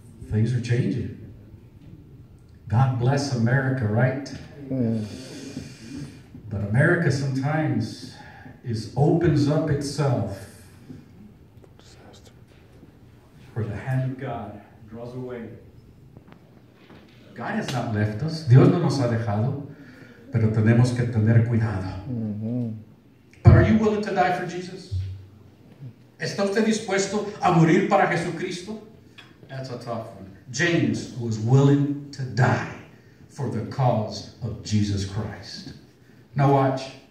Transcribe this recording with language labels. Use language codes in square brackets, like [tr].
[en] Things are changing. God bless America, right? Yeah. But America sometimes opens up itself for the hand of God. Away. God has not left us. [es] Dios no nos ha dejado, pero tenemos que tener cuidado. Mm-hmm. [en] But are you willing to die for Jesus? [es] ¿Está usted dispuesto a morir para Jesucristo? [en] That's a tough one. James was willing to die for the cause of Jesus Christ. Now watch.